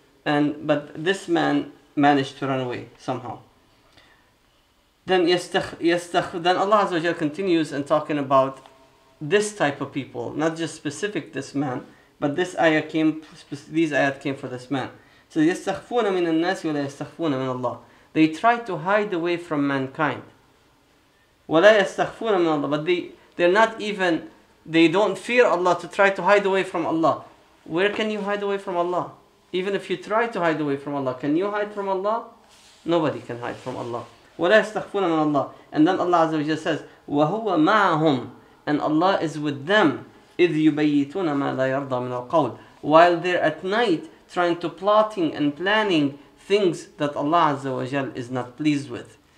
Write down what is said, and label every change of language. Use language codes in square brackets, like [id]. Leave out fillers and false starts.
[en] And but this man managed to run away somehow. Then Allah Azza wa Jalla continues and talking about this type of people, not just specific this man, but this ayah came. These ayat came for this man. [ar] So يستخفون من الناس ولا يستخفون من الله. [en] They try to hide away from mankind. [ar] ولا يستخفون من الله. [en] But they're not even. They don't fear Allah to try to hide away from Allah. Where can you hide away from Allah? Even if you try to hide away from Allah, can you hide from Allah? Nobody can hide from Allah. [ar] ولا يستخفون من الله. [en] And then Allah Azza wa Jalla says, [ar] وهو معهم. [en] And Allah is with them. [ar] إذ يبيتون ما لا يرضى من القول. [en] While they're at night trying to plotting and planning things that Allah Azza wa Jal is not pleased with.